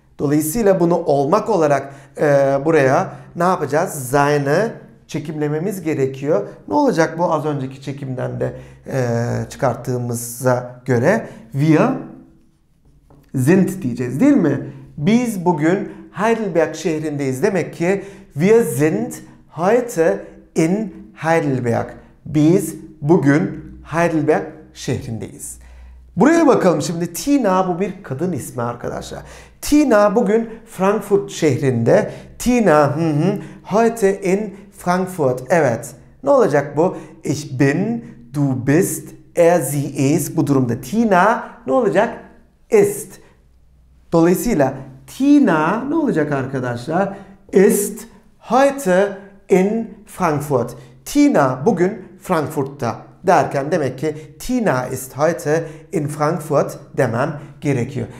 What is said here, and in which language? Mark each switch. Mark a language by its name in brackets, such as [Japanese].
[Turkish] Dolayısıyla bunu olmak olarak buraya ne yapacağız? Sein'ı çekimlememiz gerekiyor. Ne olacak bu az önceki çekimden de çıkarttığımıza göre? [German] Wir sind [Turkish] diyeceğiz değil mi? Biz bugün Heidelberg şehrindeyiz. Demek ki [German] wir sind heute in Heidelberg. [Turkish] Biz bugün Heidelberg şehrindeyiz. Buraya bakalım şimdi. Tina bu bir kadın ismi arkadaşlar. Tina bugün Frankfurt şehrinde. [German] Tina heute in Frankfurt. [Turkish] Evet. Ne olacak bu? [German] Ich bin, du bist, sie ist. [Turkish] Bu durumda Tina ne olacak? Ist. Dolayısıyla Tina ne olacak arkadaşlar? [German] Ist heute in Frankfurt. [Turkish] Tina bugün Frankfurt'ta derken demek ki [German] Tina ist heute in Frankfurt [Turkish] demem gerekiyor.